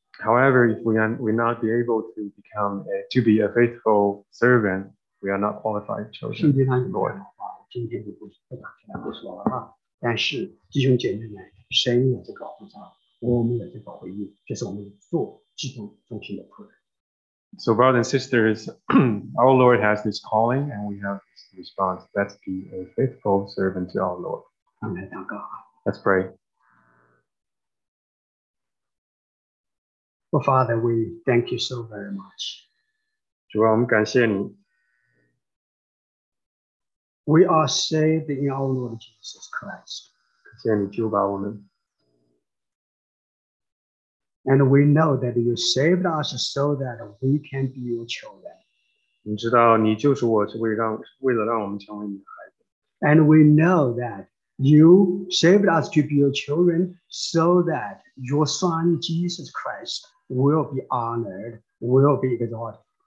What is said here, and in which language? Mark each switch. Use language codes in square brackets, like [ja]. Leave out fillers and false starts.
[en] However, if we are not be able to become to be a faithful servant, we are not qualified children. [zh] 圣经上有这样的话，今天就不说了啊。但是弟兄姐妹们，神有这个呼召，我们有这个回应，这是我们做基督忠心的仆人。 [en] So, brothers and sisters, our Lord has this calling, and we have this response. Let's be a faithful servant to our Lord. [zh] 让我们来祷告啊。 [en] Let's pray. Oh, Father, we thank you so very much. [zh] 主啊，我们感谢你。 [en] We are saved in our Lord Jesus Christ. [zh] 感谢你救把我们。 [en] And we know that you saved us so that we can be your children. [zh] 你知道你救赎我是为了让我们成为你的孩子。 [en] And we know that You saved us to be your children so that your son, Jesus Christ, will be honored, will be exalted.